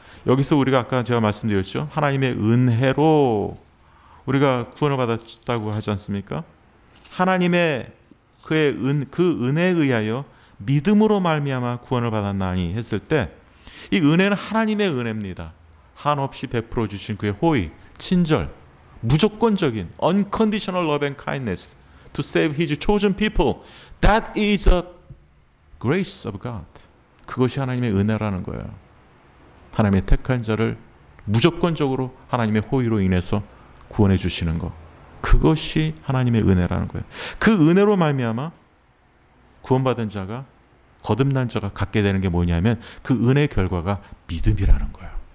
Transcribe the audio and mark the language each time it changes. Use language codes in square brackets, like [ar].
[ko] 여기서 우리가 아까 제가 말씀드렸죠. 하나님의 은혜로 우리가 구원을 받았다고 하지 않습니까? 하나님의 그 은혜에 의하여 믿음으로 말미암아 구원을 받았나니 했을 때 이 은혜는 하나님의 은혜입니다. 한없이 베풀어 주신 그의 호의, 친절, 무조건적인 [en] unconditional love and kindness to save his chosen people. That is a grace of God. [ko] 그것이 하나님의 은혜라는 거예요. 하나님의 택한 자를 무조건적으로 하나님의 호의로 인해서 구원해 주시는 것. 그것이 하나님의 은혜라는 거예요. 그 은혜로 말미암아 구원받은 자가 거듭난 자가 갖게 되는 게 뭐냐면 그 은혜의 결과가 믿음이라는 거예요.